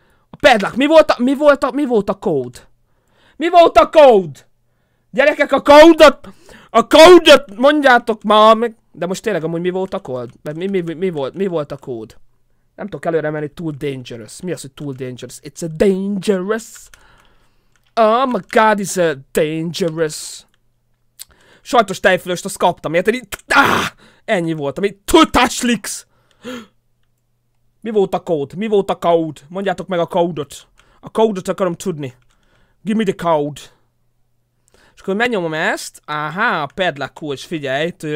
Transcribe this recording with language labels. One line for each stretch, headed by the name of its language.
Hungarian: A padlock, mi volt a kód? Mi volt a kód? Gyerekek, a kódot! A kódot mondjátok már meg! De most tényleg amúgy mi volt a kód? Mi volt a kód? Nem tudok előre menni,
English: too dangerous.
Hungarian: Mi az, hogy too dangerous?
English: It's a dangerous... Oh my god, it's a dangerous.
Hungarian: Sajtos tejfölöst azt kaptam, érted? Ennyi volt, ami TUTASLIX! Mi volt a code? Mondjátok meg a code-ot. A code-ot akarom tudni.
English: Give me the code.
Hungarian: És akkor megnyomom ezt. Aha, a padlock kulcs, figyelj.